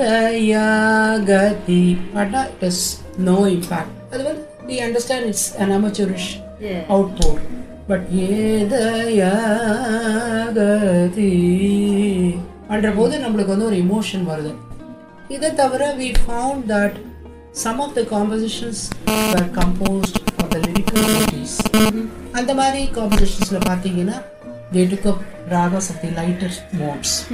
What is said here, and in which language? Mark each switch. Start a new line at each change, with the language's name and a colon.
Tamil: ஏதயகதி,
English: it has no impact. We understand it's an amateurish outpour. But
Tamil: ஏதயகதி பண்ற போது நம்மளுக்கு வந்து ஒரு இமோஷன் வருது. இதை தவிர
English: we found that some of the compositions were composed for the lyrical melodies.
Tamil: அந்த மாதிரி காம்போசிஷன்ஸில் பார்த்தீங்கன்னா
English: they took up ragas of the lighter modes.